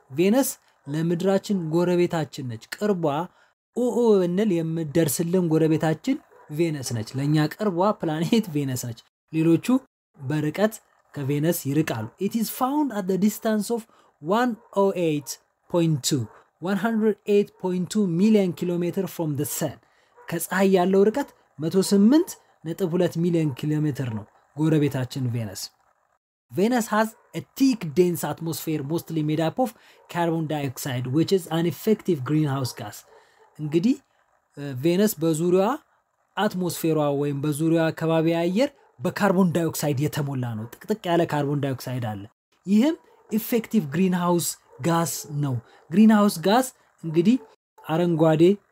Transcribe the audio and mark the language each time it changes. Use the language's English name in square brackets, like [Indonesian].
[Amharic] ቬነስ ለምድራችን ጎረቤታችን ነች። ቅርቧ ኦኦ እንል የምደርስልን ጎረቤታችን ቬነስ ነች። ለኛ ቅርቧ ፕላኔት ቬነስ ነች። ሌሎቹ በርቀት ከቬነስ ይርቃሉ። [English] It is found at the distance of 108.2 million kilometers from the sun. [Amharic] ከፀሐይ ያለው ርቀት 108.2 ሚሊዮን ኪሎ ሜትር ነው። ጎረቤታችን ቬነስ [English] Venus has a thick dense atmosphere mostly made up of carbon dioxide which is an effective greenhouse gas. [Amharic] እንግዲህ ቬነስ በዙሪያ አትሞስፌሯ ወይም በዙሪያ ከባቢ አየር በካርቦን ዳይኦክሳይድ የተሞላ ነው። ጥቅጥቅ ያለ ካርቦን ዳይኦክሳይድ አለ። ይህም effective greenhouse gas ነው። greenhouse gas እንግዲህ አረንጓዴ